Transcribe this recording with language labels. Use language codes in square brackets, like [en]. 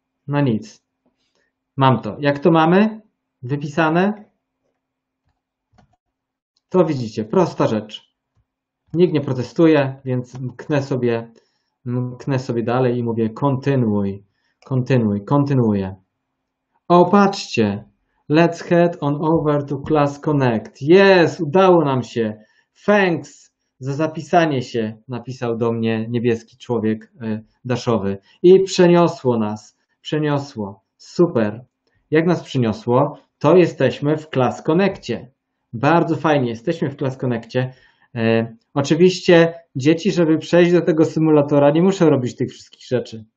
[pl] No nic. Mam to. Jak to mamy? Wypisane? To widzicie, prosta rzecz. Nikt nie protestuje, więc mknę sobie dalej i mówię kontynuuj, kontynuuj, kontynuuję. O, patrzcie. [en] Let's head on over to Class Connect. [pl] Yes, udało nam się. [en] Thanks. [pl] Za zapisanie się, napisał do mnie niebieski człowiek daszowy. I przeniosło nas. Przeniosło. Super. Jak nas przeniosło? To jesteśmy w Class Connectie. Bardzo fajnie. Jesteśmy w Class Connectie. Oczywiście dzieci, żeby przejść do tego symulatora, nie muszą robić tych wszystkich rzeczy.